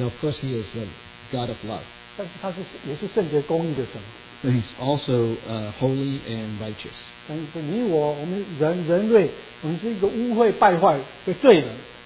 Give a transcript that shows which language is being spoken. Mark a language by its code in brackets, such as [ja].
[en] And of course He is the God of love. [zh] 但是他是也是圣洁公义的神。 [en] But He's also holy and righteous. [zh] 但是你我们人类，我们是一个污秽败坏的罪人。